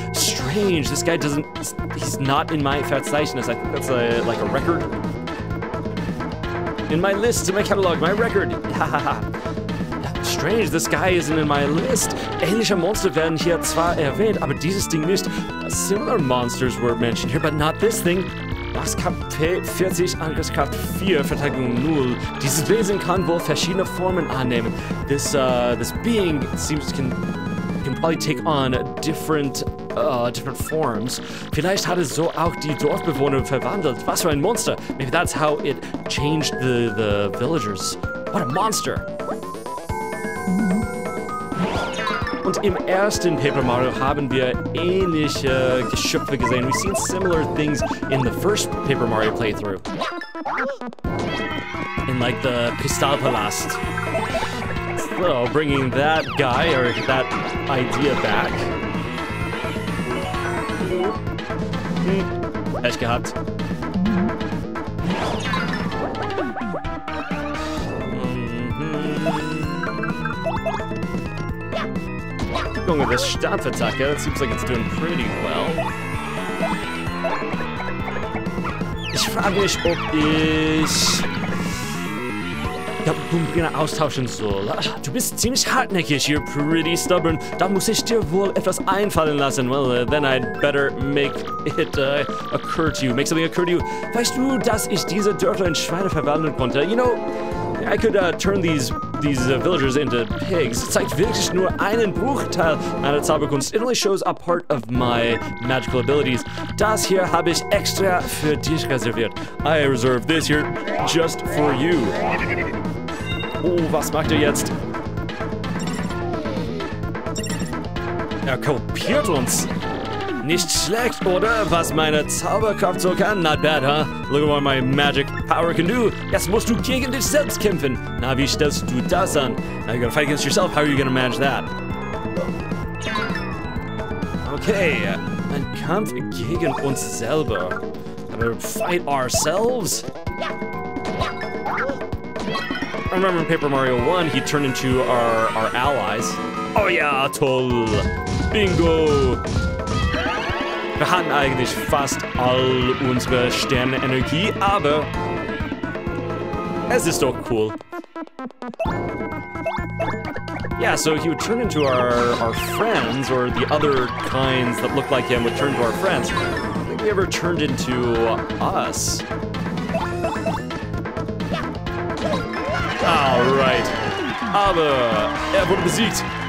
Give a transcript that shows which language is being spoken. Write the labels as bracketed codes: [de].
[en] Strange, this guy doesn't... He's not in my Verzeichnis. I think that's like a record. In my list, in my catalog, my record. Strange, this guy isn't in my list. [de] Ähnliche Monster werden hier zwar erwähnt, aber dieses Ding nicht. [en] Similar monsters were mentioned here, but not this thing. [de] Was KP 40, Angriffskraft 4, Verteidigung 0. Dieses Wesen kann wohl verschiedene Formen annehmen. [en] This being seems can probably take on different forms. [de] Vielleicht hat es so auch die Dorfbewohner verwandelt. Was für ein Monster. [en] Maybe that's how it changed the villagers. What a monster. [de] Und im ersten Paper Mario haben wir ähnliche Geschöpfe gesehen. [en] We've seen similar things in the first Paper Mario playthrough. In like the Pistol Palast. So, bringing that guy or that idea back. [de] Pech gehabt. [en] Going with this Stamp attack, it seems like it's doing pretty well. [de] Ich frage mich, ob ich da Bumbina austauschen soll. Du bist ziemlich hartnäckig, [en] you're pretty stubborn. [de] Da muss ich dir wohl etwas einfallen lassen. [en] Well, then I'd better make it occur to you. Make something occur to you. [de] Weißt du, dass ich diese Dörfer in Schweine verwandeln konnte? [en] You know, I could turn these villagers into pigs. [de] Zeigt wirklich nur einen Bruchteil meiner Zauberkunst. [en] It only shows a part of my magical abilities. [de] Das hier habe ich extra für dich reserviert. [en] I reserve this here just for you. [de] Oh, was macht jetzt? Kopiert uns. Nicht schlecht, oder? Was meine Zauberkraft so kann? [en] Not bad, huh? Look at what my magic power can do. [de] Jetzt musst du gegen dich selbst kämpfen. Na, wie stellst du das an? [en] Now you gotta fight against yourself. How are you gonna manage that? [de] Okay, ein Kampf gegen uns selber. [en] Aber fight ourselves? I remember in Paper Mario 1, he turned into our allies. Oh yeah, toll. Bingo. [de] Wir hatten eigentlich fast all unsere Sternenenergie, aber es ist doch cool. [en] Yeah, so he would turn into our friends, or the other kinds that look like him would turn to our friends. I don't think he ever turned into us. Alright. [de] Aber er wurde besiegt.